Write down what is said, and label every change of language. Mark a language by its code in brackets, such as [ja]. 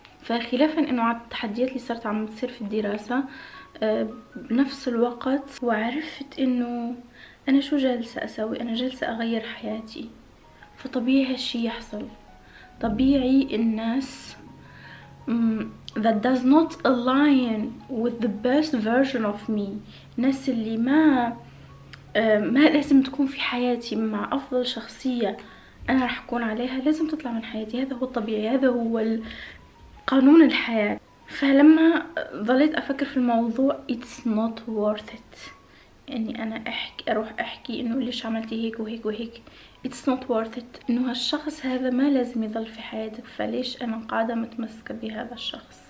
[ar] فخلافا انه على التحديات اللي صارت عم تصير في الدراسه، بنفس الوقت وعرفت انه انا شو جالسة اسوي، انا جالسة اغير حياتي، فطبيعي هالشي يحصل، طبيعي الناس [en] that does not align with the best version of me. [ar] ناس اللي ما لازم تكون في حياتي مع أفضل شخصية أنا رح أكون عليها لازم تطلع من حياتي. هذا هو الطبيعي، هذا هو قانون الحياة. فلما ظليت أفكر في الموضوع [en] it's not worth it [ar] يعني أنا أروح أحكي إنه ليش عملتي هيك وهيك وهيك [en] it's not worth it، [ar] إنه هالشخص هذا ما لازم يظل في حياتك، فليش أنا قاعدة متمسكة بهذا الشخص.